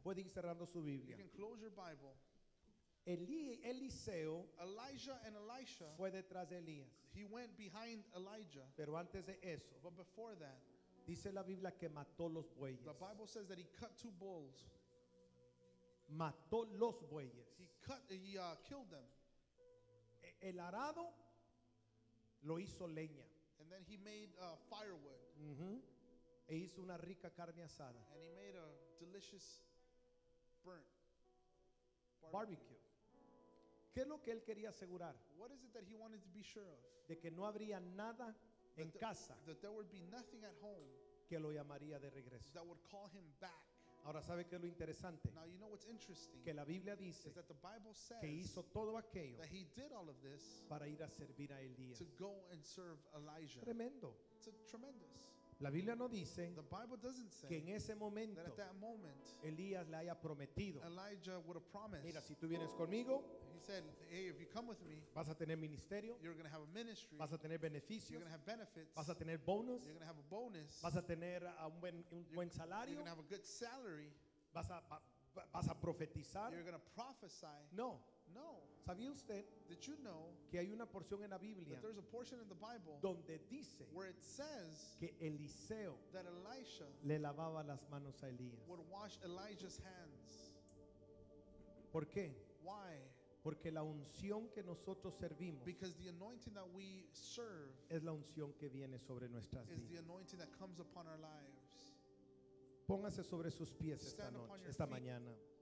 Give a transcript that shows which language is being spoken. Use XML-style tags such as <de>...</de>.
<es>Pueden ir cerrando su Biblia.</es> <en>You can close your Bible.</en> <es>Eliseo</es> <en>Elijah and Elisha</en> <es>fue detrás de Elías.</es> <en>He went behind Elijah.</en> <es>Pero antes de eso,</es> <en>but before that,</en> <es>dice la Biblia que mató los bueyes.</es> <en>The Bible says that he cut two bulls.</en> <es>Mató los bueyes.</es> <en>He killed them.</en> <es>El arado lo hizo leña.</es> <en>And then he made firewood. Mm-hmm.</en> <es>E hizo una rica carne asada.</es> <en>And he made a delicious burnt barbecue.</en> <es>¿Qué es lo que él quería asegurar?</es> <en>What is it that he wanted to be sure of?</en> <es>De que no habría nada en casa.</es> <en>That there would be nothing at home.</en> <es>Que lo llamaría de regreso.</es> <en>That would call him back.</en> <es>Ahora sabe qué es lo interesante.</es> <en>Now you know what's interesting.</en> <es>Que la Biblia dice.</es> <en>Is that the Bible says.</en> <es>Que hizo todo aquello.</es> <en>That he did all of this.</en> <es>Para ir a servir a Elías.</es> <en>To go and serve Elijah.</en> <es>Tremendo.</es> <en>It's tremendous.</en> <es>La Biblia no dice.</es> <en>The Bible doesn't say.</en> <es>Que en ese momento.</es> <en>That at that moment.</en> <es>Elías le haya prometido.</es> <en>Elijah would have promised.</en> <es>Mira, si tú vienes conmigo.</es> <en>He said, hey, if you come with me,</en> <es>vas a tener ministerio,</es> <en>you're going to have a ministry.</en> <es>Vas a tener beneficios,</es> <en>you're going to have benefits.</en> <es>Vas a tener bonus,</es> <en>you're going to have a bonus.</en> <es>Vas a tener un buen salario,</es> <en>you're going to have a good salary.</en> <es>Vas a profetizar,</es> <en>you're going to prophesy.</en> <es>No.</es> <en>No.</en> <es>¿Sabía usted</es> <en>that you know</en> <es>que hay una porción en la Biblia</es> <en>that there's a portion in the Bible</en> <es>donde dice</es> <en>where it says</en> <es>que Eliseo</es> <en>that Elisha</en> <es>le lavaba las manos a Elías.</es> <en>Would wash Elijah's hands.</en> <es>¿Por qué?</es> <en>Why?</en> <es>Porque la unción que nosotros servimos,</es> <en>because the anointing that we serve,</en> <es>es la unción que viene sobre nuestras vidas,</es> <en>is the anointing that comes upon our lives.</en> <es>Póngase sobre sus pies esta noche, esta mañana.</es>